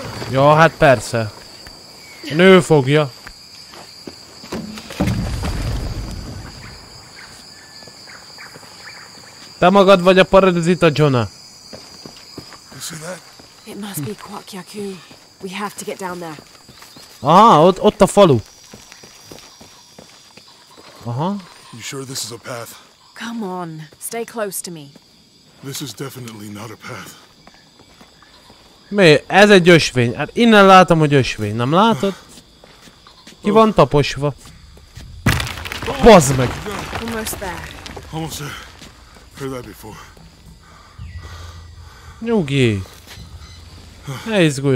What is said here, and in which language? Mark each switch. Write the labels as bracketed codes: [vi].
[hu] Jó, hát persze. A nő fogja. Te magad vagy a parazita, Jonah. [en] It must be Kwakyaku. We have to get down there. [hu] Aha, ott a falu. Aha. [en] You sure this is a path? Come on, stay close to me. This is definitely not a path. [hu] Mi? Ez egy ösvény. Hát innen látom, hogy ösvény. Nem látod? Ki van taposva? Bazd meg! [en] just there. Almost there. Heard that before. [hu] Nyugi. Ne izgulj.